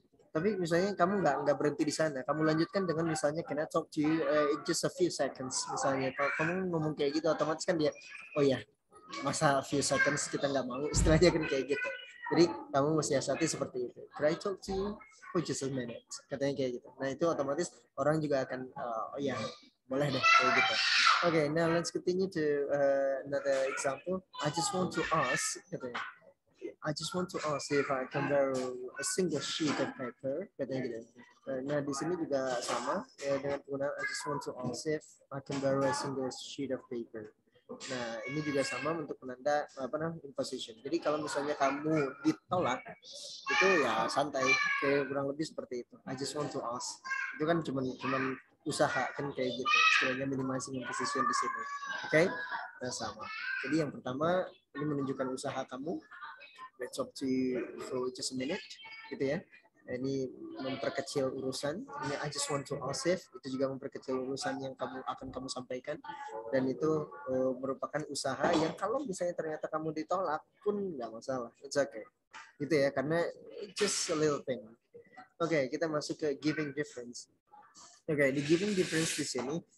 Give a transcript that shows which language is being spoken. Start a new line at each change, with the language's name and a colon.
Indonesian: Tapi misalnya kamu nggak berhenti di sana, kamu lanjutkan dengan misalnya
English: can I talk to you just a few seconds
Indonesian: misalnya. Kalau kamu ngomong kayak gitu otomatis kan dia oh ya masa
English: few seconds
Indonesian: kita nggak mau istilahnya kan kayak gitu. Jadi kamu mesiasati seperti itu.
English: Can I talk to you for just a minute?
Indonesian: Katanya kayak gitu. Nah itu otomatis orang juga akan, oh ya, boleh deh kayak gitu.
English: Okay, now let's continue to another example. I just want to ask,
Indonesian: katanya.
English: I just want to ask if I can borrow a single sheet of paper,
Indonesian: katanya gitu. Nah di sini juga sama dengan penggunaan
English: I just want to ask if I can borrow a single sheet of paper.
Indonesian: Nah ini juga sama untuk penanda apa namanya imposition. Jadi kalau misalnya kamu ditolak itu ya santai, kayak kurang lebih seperti itu.
English: I just want to ask.
Indonesian: Itu kan cuman usaha kan kayak gitu. Sebenarnya minimizing imposition di sini. Okay? Nah sama. Jadi yang pertama ini menunjukkan usaha kamu.
English: Let's talk to you for just a minute,
Indonesian: gitu ya. Ini memperkecil urusan. Ini
English: I just want to ask if
Indonesian: itu juga memperkecil urusan yang kamu akan kamu sampaikan. Dan itu merupakan usaha yang kalau misalnya ternyata kamu ditolak pun nggak masalah.
English: It's okay,
Indonesian: gitu ya. Karena
English: it's just a little thing.
Indonesian: Okay, kita masuk ke giving difference. Okay, di giving difference di sini.